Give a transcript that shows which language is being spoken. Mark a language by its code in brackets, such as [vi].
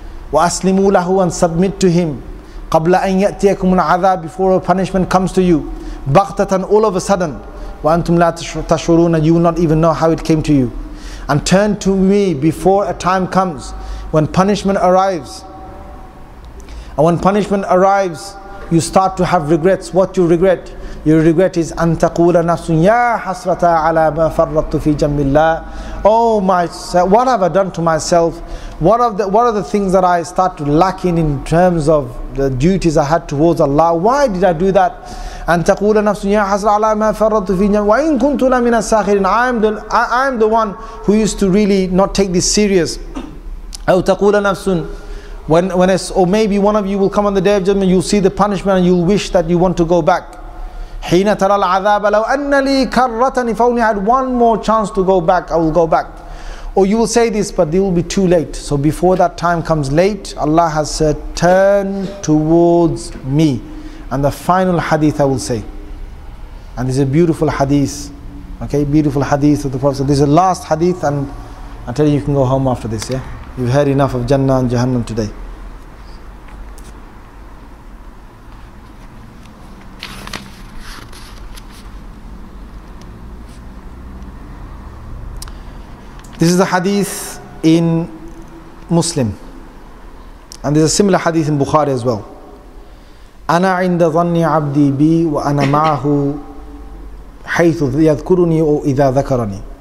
[ar] Wa aslimu lahu, [en] and submit to him. [ar] Qabla an ya'tiyakum al-adhab, [en] before a punishment comes to you. [ar] Baghtatan, [en] all of a sudden. [ar] Wa antum la tashuruna, [en] you will not even know how it came to you. And turn to me before a time comes when punishment arrives. And when punishment arrives, you start to have regrets. What you regret? Your regret is [ar] أن تقول نفس يا حسرتا على ما فرطت في جنب الله. [en] Oh my, what have I done to myself? What are the things that I start lacking in terms of the duties I had towards Allah? Why did I do that? [ar] أن تقول نفس يا حسرتا على ما فرطت في جنب الله. وإن كنت لمن الساخرين. [en] I am the one who used to really not take this serious. [ar] أو تقول نفس [en] when it's, or maybe one of you will come on the day of judgment, you'll see the punishment and you'll wish that you want to go back. [ar] حِينَ تَرَى الْعَذَابَ لَوْ أَنَّ لِي كَرَّةً. [en] If only I had one more chance to go back, I will go back. Or you will say this, but it will be too late. So before that time comes late, Allah has said, turn towards me. And the final hadith I will say. And this is a beautiful hadith. Okay, beautiful hadith of the Prophet. So this is the last hadith, and I tell you, you can go home after this, yeah? You've heard enough of Jannah and Jahannam today. This is the hadith in Muslim. And there's a similar hadith in Bukhari as well. [ar] أنا عند ظني عبدي بي وأنا معه حيث يذكرني أو إذا ذكرني.